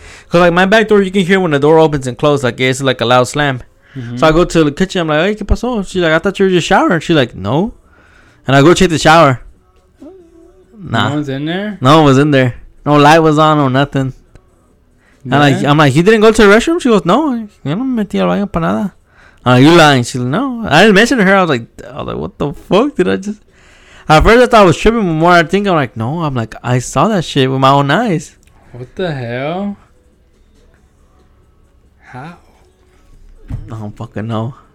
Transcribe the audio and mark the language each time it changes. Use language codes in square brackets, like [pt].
[en] Because like my back door, you can hear when the door opens and close, like it's like a loud slam. So I go to the kitchen. I'm like, hey, [es] ¿qué pasó? [en] She's like, I thought you were just showering. She's like, no. And I go check the shower. Nah. No one's in there? No one was in there. No light was on or nothing. Yeah. And like, I'm like, he didn't go to the restroom? She goes, no. [es] Yo no me metí al baño para nada. [en] You lying? She's like, no. I didn't mention to her. I was like, what the fuck did I just? At first, I thought I was tripping. The more I think, I'm like, no. I'm like, I saw that shit with my own eyes. What the hell? How? I don't fucking know.